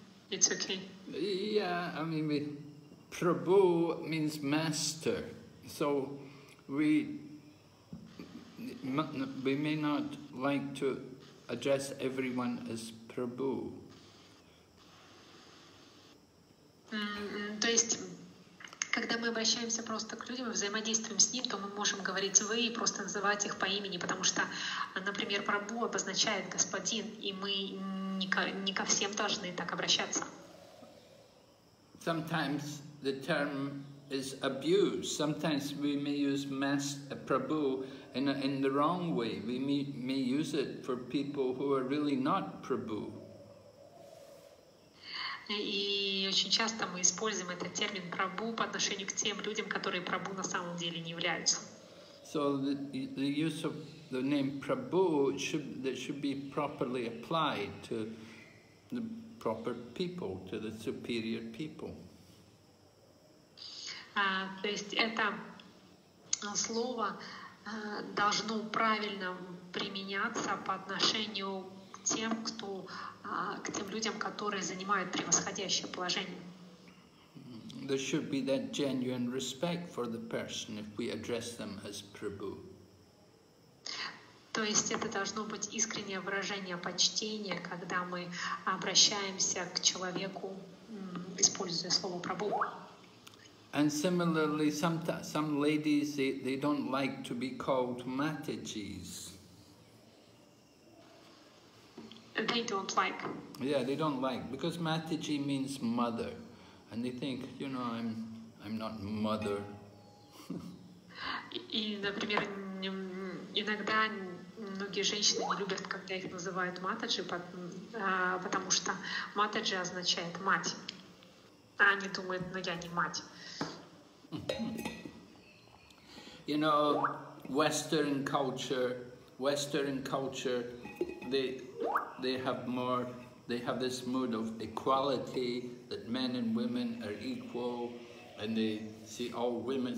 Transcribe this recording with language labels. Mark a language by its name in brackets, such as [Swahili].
[English] It's okay. Yeah, I mean, Prabhu means master. So we may not like to address everyone as Prabhu. [Russian] То есть, когда мы обращаемся просто к людям, взаимодействуем с ним, то мы можем говорить «вы» и просто называть их по имени, потому что, например, «прабу» обозначает «господин», и мы не ко всем должны так обращаться. [English] Sometimes the term is abused. Sometimes we may use «прабу» in the wrong way. We may use it for people who are really not «прабу». [Russian] И очень часто мы используем этот термин «прабу» по отношению к тем людям, которые «прабу» на самом деле не являются. [English] So the use of the name «прабу» should be properly applied to the proper people, to the superior people. [Russian] То есть это слово должно правильно применяться по отношению к тем, кто... к тем людям, которые занимают превосходящее положение. [English] There should be that genuine respect for the person if we address them as Prabhu. [Russian] То есть это должно быть искреннее выражение почтения, когда мы обращаемся к человеку, используя слово Прабху. [English] And similarly, some ladies they don't like to be called Matajis. They don't like, because Mataji means mother, and they think, you know, I'm not mother. [Russian] И, например, иногда многие женщины не любят, когда их называют Матаджи, потому что Матаджи означает мать, а они думают, но я не мать. [English] You know, Western culture, they have this mood of equality, that men and women are equal, and they see all women.